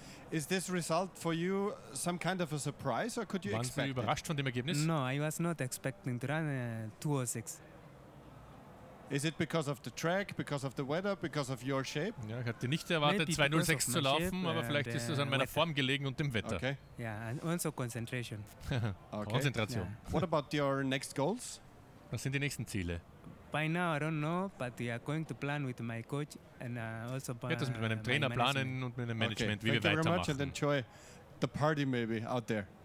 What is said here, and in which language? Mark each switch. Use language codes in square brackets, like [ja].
[en] Is this result for you some kind of a surprise, or could you expect? [de] Waren Sie überrascht von dem Ergebnis? [en] No, I was not expecting to run 2:06. Is it because of the track, because of the weather, because of your shape? [de] Ja, ich hatte nicht erwartet, 2:06 zu laufen, aber vielleicht ist es an meiner Form gelegen und dem Wetter. Okay. [en] Yeah, and also concentration. [de] Okay. Konzentration. [en] Yeah. What about your next goals? [de] Was sind die nächsten Ziele? [en] By now I don't know, but we are going to plan with my coach and also by [de] Ich werde mit meinem Trainer planen und mit dem Management, okay, wie [en] thank [de] wir [en] you [de] weitermachen. [en] Very much and enjoy the party maybe out there.